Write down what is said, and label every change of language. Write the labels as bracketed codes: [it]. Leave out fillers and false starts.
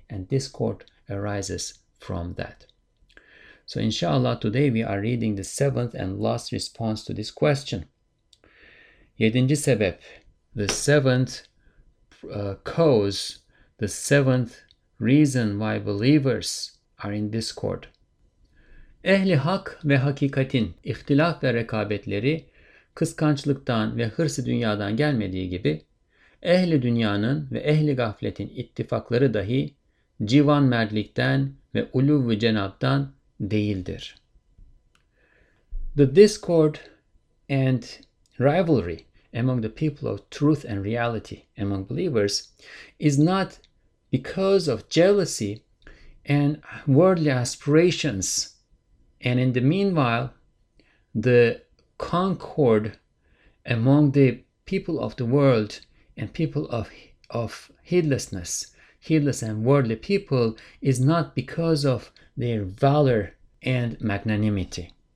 [en] And discord arises from that. So inshallah, today we are reading the seventh and last response to this question. [tr] Yedinci sebep, [en] the seventh cause, the seventh reason why believers are in discord. [tr] Ehli hak ve hakikatin ihtilaf ve rekabetleri kıskançlıktan ve hırsı dünyadan gelmediği gibi, ehli dünyanın ve ehli gafletin ittifakları dahi civan merlikten ve uluv-i cenaptan değildir. [en] The discord and rivalry among the people of truth and reality among believers is not because of jealousy and worldly aspirations. And in the meanwhile, the concord among the people of the world and people of heedlessness, heedless and worldly people, is not because of their valor and magnanimity.